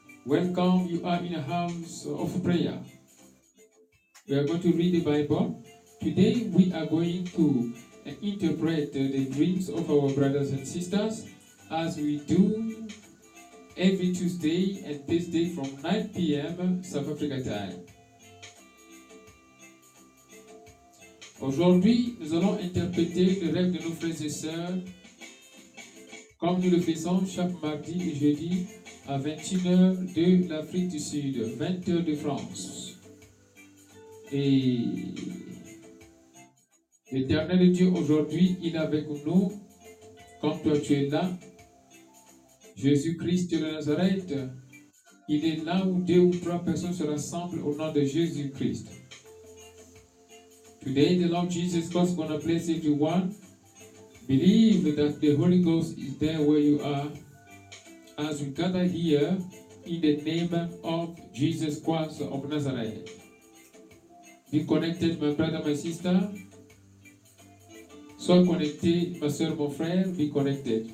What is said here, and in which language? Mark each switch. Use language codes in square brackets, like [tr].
[en] Welcome, you are in a house of prayer. We are going to read the Bible. Today we are going to interpret the dreams of our brothers and sisters as we do every Tuesday and Thursday from 9 p.m. South Africa time. [fr] Aujourd'hui, nous allons interpréter le rêve de nos frères et sœurs comme nous le faisons chaque mardi et jeudi à 21h de l'Afrique du Sud, 20h de France. Et l'Éternel Dieu aujourd'hui, il est avec nous, comme toi tu es là. Jésus-Christ de Nazareth, il est là où deux ou trois personnes se rassemblent au nom de Jésus-Christ. [en] Today, the Lord Jesus Christ is going to bless everyone. Believe that the Holy Ghost is there where you are. As we gather here in the name of Jesus Christ of Nazareth. Be connected, my brother, my sister. [fr] Sois connecté, ma soeur, mon frère. [en] Be connected.